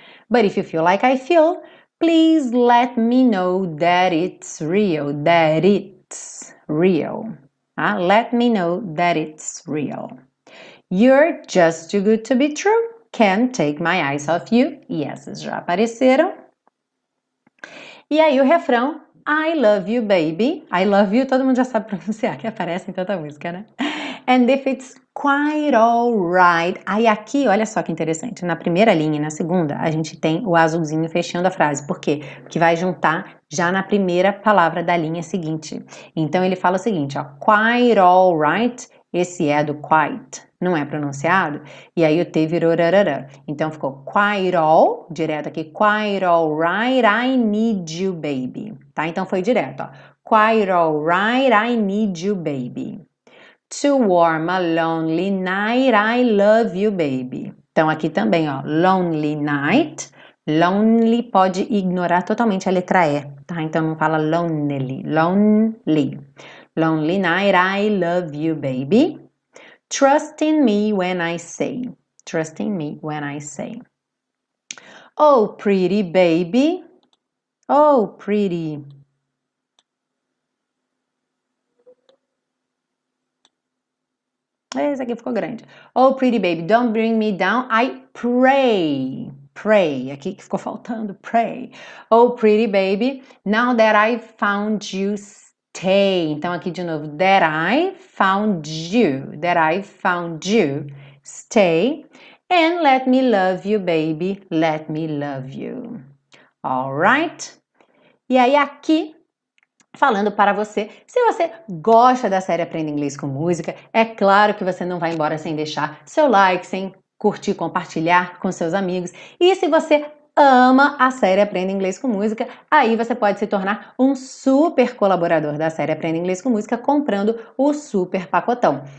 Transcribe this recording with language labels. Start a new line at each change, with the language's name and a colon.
English: But if you feel like I feel, please let me know that it's real, that it's real. Huh? Let me know that it's real. You're just too good to be true. Can't take my eyes off you.
Portuguese: E essas já apareceram. E aí o refrão,
English: I love you, baby.
Portuguese: I love you, todo mundo já sabe pronunciar, que aparece em tanta música, né?
English: And if it's quite alright.
Portuguese: Aí aqui, olha só que interessante. Na primeira linha e na segunda, a gente tem o azulzinho fechando a frase. Por quê? Porque vai juntar já na primeira palavra da linha seguinte. Então ele fala o seguinte, ó.
English: Quite alright.
Portuguese: Esse é do quite, não é pronunciado? E aí o T virou rarara. Então ficou quite all, direto aqui,
English: quite all right, I need you, baby.
Portuguese: Tá? Então foi direto, ó.
English: Quite all right, I need you, baby. To warm a lonely night, I love you, baby.
Portuguese: Então aqui também, ó, lonely night. Lonely pode ignorar totalmente a letra E, tá? Então não fala lonely, lonely.
English: Lonely night, I love you, baby. Trust in me when I say. Trust in me when I say. Oh, pretty baby. Oh, pretty.
Portuguese: Esse aqui ficou grande.
English: Oh, pretty baby, don't bring me down. I pray. Pray.
Portuguese: Aqui que ficou faltando.
English: Pray. Oh, pretty baby, now that I've found you
Portuguese: Então, aqui de novo,
English: that I found you, that I found you, stay and let me love you, baby, let me love you. All right?
Portuguese: E aí, aqui, falando para você, se você gosta da série Aprenda Inglês com Música, é claro que você não vai embora sem deixar seu like, sem curtir, compartilhar com seus amigos. E se você ama a série Aprenda Inglês com Música, aí você pode se tornar um super colaborador da série Aprenda Inglês com Música comprando o super pacotão.